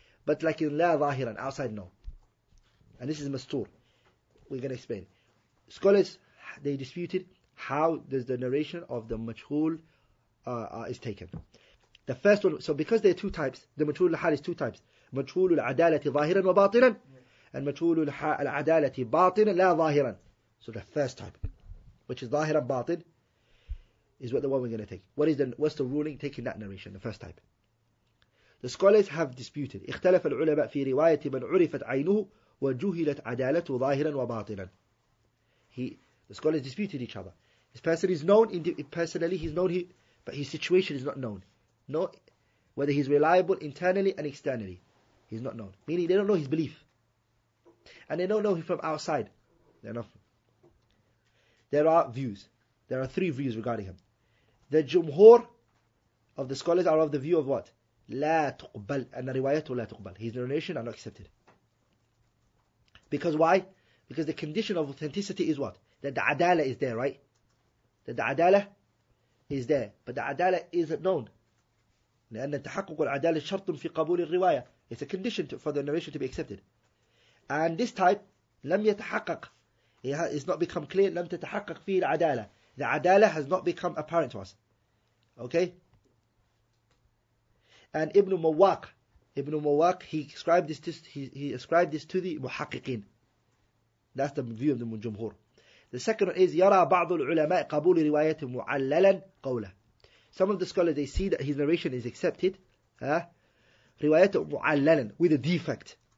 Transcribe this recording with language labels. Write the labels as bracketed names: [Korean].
[English] But like in la zahiran, outside no. And this is mastur. We're going to explain. Scholars, they disputed how does the narration of the majhul is taken. The first one, so because there are two types, the majhulul hal is two types. Majhulul adalati zahiran wa batinan. [Arabic] المجهول العدالة باطنا لا ظاهرا. [English] So the first type, which is ظاهرا باطن, is what the one we're going to take. What is the, what's the ruling taking that narration, the first type? The scholars have disputed. [Arabic] اختلف العلماء في رواية من عرفت عينه وجهلت عدالته ظاهرا وباطنا. [English] The scholars disputed each other. This person is known personally, he's known, but his situation is not known. No, whether he's reliable internally and externally, he's not known. Meaning they don't know his belief. And they don't know him from outside. There are views. There are three views regarding him. The jumhur of the scholars are of the view of what? [Arabic] لا تقبل. [English] And the riwayat لا تقبل. His narration are not accepted. Because why? Because the condition of authenticity is what? That the adala is there, right? That the adala is there. But the adala isn't known. [Arabic] لأن التحقق العدالة شرط في قبول الرواية. [English] It's a condition for the narration to be accepted. And this type, [Arabic] لم يتحقق. [English] It's not become clear. [Arabic] لم تتحقق فيه العدالة. [English] The adala has not become apparent to us. Okay? And Ibn Muwaq, he ascribed this to the muhaqqiqin. That's the view of the Jumhur. The second one is, [Arabic] يرى بعض العلماء قبول رواية معللا قوله. [English] Some of the scholars, they see that his narration is accepted. [Arabic] روايته معللا, [English] with a defect.